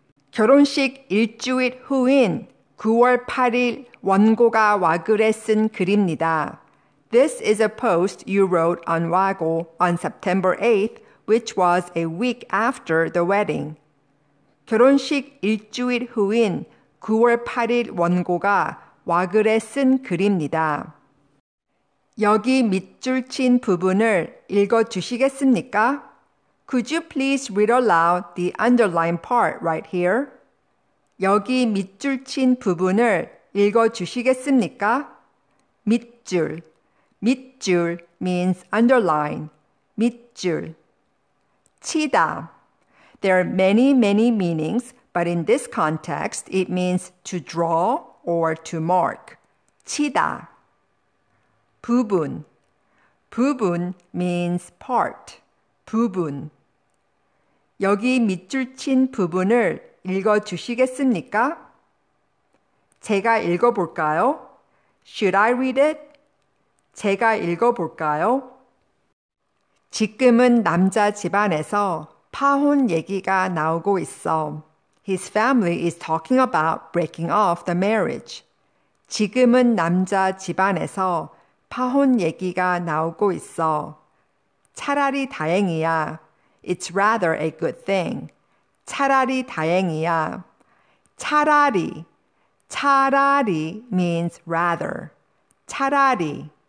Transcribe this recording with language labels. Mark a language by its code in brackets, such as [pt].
[ko] 결혼식 일주일 후인 9월 8일 원고가 와글에 쓴 글입니다. [en] This is a post you wrote on WAGO on September 8th, which was a week after the wedding. [ko] 결혼식 일주일 후인 9월 8일 원고가 와글에 쓴 글입니다. 여기 밑줄 친 부분을 읽어주시겠습니까? [en] Could you please read aloud the underlined part right here? [ko] 여기 밑줄 친 부분을 읽어주시겠습니까? 밑줄. 밑줄 [en] means underline. [ko] 밑줄. 치다. [en] There are many, many meanings, but in this context, it means to draw or to mark. [ko] 치다. 부분. 부분 [en] means part. [ko] 부분. 여기 밑줄 친 부분을 읽어주시겠습니까? 제가 읽어볼까요? [en] Should I read it? [ko] 제가 읽어볼까요? 지금은 남자 집안에서 파혼 얘기가 나오고 있어. [en] His family is talking about breaking off the marriage. [ko] 지금은 남자 집안에서 파혼 얘기가 나오고 있어. 차라리 다행이야. [en] It's rather a good thing. [ko] 차라리 다행이야. 차라리. 차라리 [en] means rather. [ko] 차라리.